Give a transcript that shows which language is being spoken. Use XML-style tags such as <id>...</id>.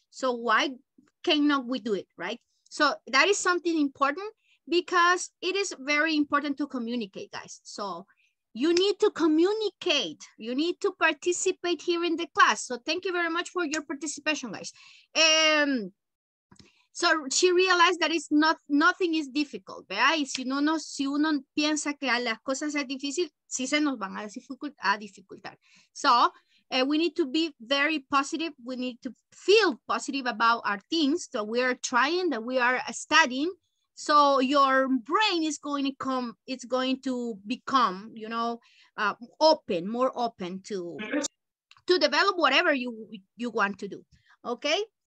<en>So why cannot we do it, right? So that is something important, because it is very important to communicate, guys. So you need to communicate. You need to participate here in the class. So thank you very much for your participation, guys. So she realized that it's nothing is difficult, ¿verdad?</en> <es>Y si uno piensa que a las cosas es difícil, sí se nos van a dificultar.</es> <en>So we need to be very positive. We need to feel positive about our things that we are trying, that we are studying. So your brain is going to come, it's going to become, you know, open, more open to develop whatever you want to do, okay?</en>